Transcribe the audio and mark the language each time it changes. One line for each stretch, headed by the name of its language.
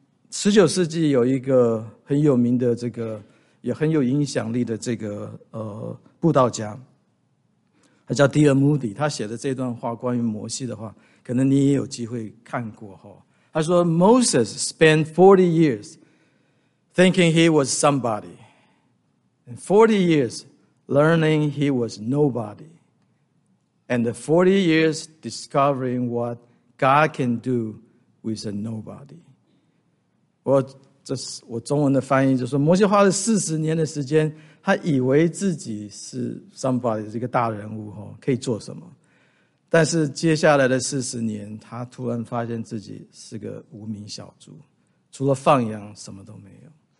Chinese: 十九世纪有一个很有名的这个也很有影响力的这个布道家，他叫迪尔穆迪，他写的这段话关于摩西的话可能你也有机会看过。他说
English: Moses spent 40 years thinking he was somebody and 40 years learning he was nobody and 40 years discovering what God can do with a nobody。
Chinese: 我中文的翻译就说，摩西花了40年的时间，他以为自己是 somebody， 这个大人物可以做什么，但是接下来的40年他突然发现自己是个无名小卒，除了放羊什么都没有。